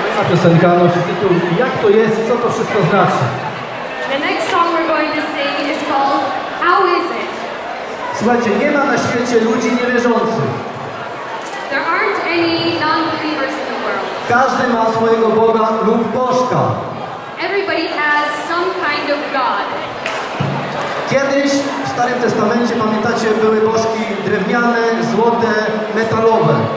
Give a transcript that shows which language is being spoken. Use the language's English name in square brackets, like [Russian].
[Polish] Piosenka nosi tytuł Jak to jest, co to wszystko znaczy? [English] The next song we're going to sing is called How is it? [Polish] Słuchajcie, nie ma na świecie ludzi niewierzących. [English] There aren't any non-believers in the world. [Polish] Każdy ma swojego Boga lub Bożka. [English] Everybody has some kind of God. [Polish] Kiedyś w Starym Testamencie, pamiętacie, były bożki drewniane, złote, metalowe.